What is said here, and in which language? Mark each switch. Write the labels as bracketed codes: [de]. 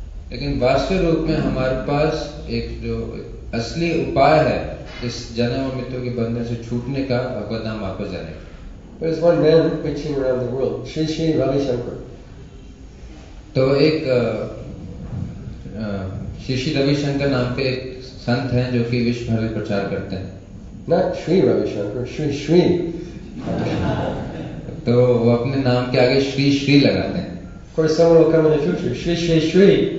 [hi] लेकिन वास्तविक रूप में हमारे पास एक जो असली उपाय है इस जन्म और मृत्यु के बंधन से छूटने का भगवत नाम वापस जाने का [en] There is one man preaching around the world, Shri Shri Ravi Shankar. [hi] तो एक Shri Shri Ravi Shankar नाम के एक संत हैं जो कि विश्व भर में प्रचार करते हैं [en] Not Shri Ravi Shankar, Shri Shri. [hi] तो वो अपने नाम के आगे श्री श्री लगाते हैं कोई समय का मैंने सोच श्री श्री श्री